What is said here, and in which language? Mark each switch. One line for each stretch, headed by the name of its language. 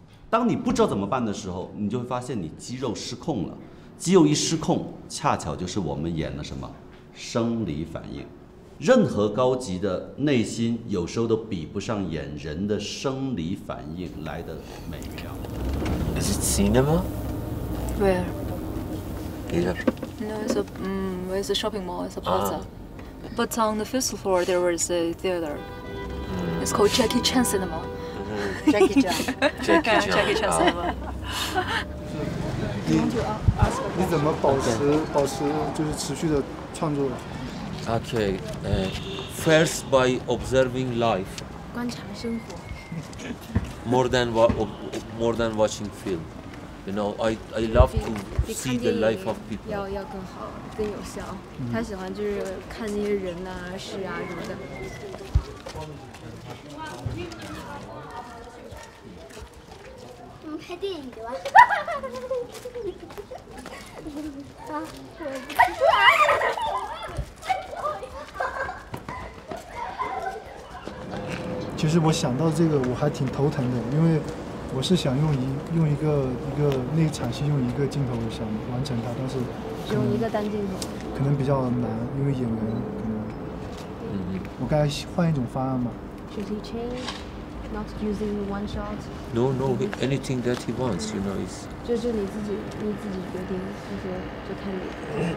Chinese: 当你不知道怎么办的时候，你就会发现你肌肉失控了。肌肉一失控，恰巧就是我们演了什么生理反应。任何高级的内心有时候都比不上演人的生理反应来的美妙。
English: Is it cinema? Where? Is it? No, it's a, it's a shopping mall, it's a plaza. Ah. But on the fifth floor there was a theater. It's called Jackie Chan Cinema. Jackie Chan. Jackie Chan. Jackie Chan Cinema.
Chinese: 你怎么保持就是持续的创作的？
English: Okay, first by observing life.
Chinese: 观察生活。
English: More than watching film. You know, I love to see the life of people.
Chinese: 要更好，更有效。他喜欢就是看那些人啊、事啊什么的。我们拍电影吧。啊！快出来！其实我想到这个我还挺头疼的，因为我是想用一个那场戏用一个镜头想完成它，但是用一个单镜头可能比较难，因为演员可能我该换一种方案吗？
English: Should he change not using one shot? No, anything that he wants, you know, is
Chinese: 就是你自己决定，就看你